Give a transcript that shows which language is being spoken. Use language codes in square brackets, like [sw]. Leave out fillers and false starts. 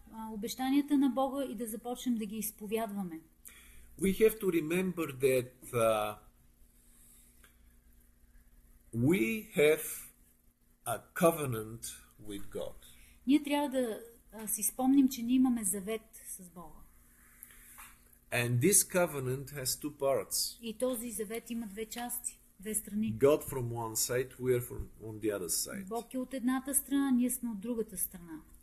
[bg] Обещанията на Бога и да започнем да ги изповядваме. [en] We have to remember that we have a covenant with God. [bg] Ние трябва да си спомним, че ние имаме завет с Бога. [en] And this covenant has two parts. [bg] И този завет има две части, две страни. [en] God from one side, we are from on the other side. [bg] Бог е от едната страна, ние сме от другата страна.